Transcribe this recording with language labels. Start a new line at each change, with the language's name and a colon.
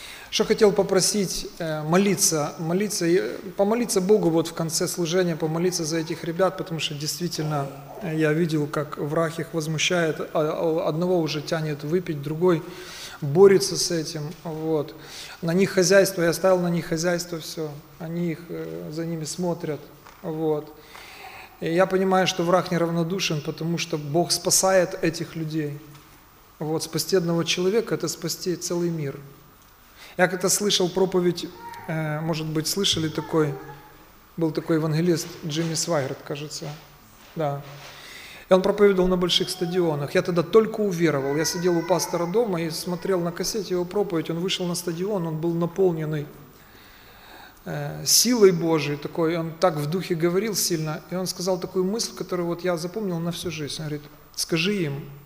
Ukrainian: Що хотів попросити? Молитися. Помолитися Богу от в кінці служення, помолитися за цих ребят, тому що дійсно я бачив, як враг їх возмущає. Одного вже тягне випити, другий борються з цим. Вот. На них хазяйство, я ставив на них хазяйство, все. Вони їх за ними смотрять. Вот. Я розумію, що враг неравнодушен, тому що Бог спасає цих людей. Вот. Спасти одного чоловіка – це спасти цілий мир. Як це слышав проповідь, може бути, слышали такий, був такий евангеліст Джиммі Свайгард, кажеться.
Russian: Да. И он проповедовал на больших стадионах. Я тогда только уверовал. Я сидел у пастора дома и смотрел на кассете его проповедь. Он вышел на стадион, он был наполненный силой Божией такой. Он так в духе говорил сильно. И он сказал такую мысль, которую вот я запомнил на всю жизнь. Он говорит: скажи им.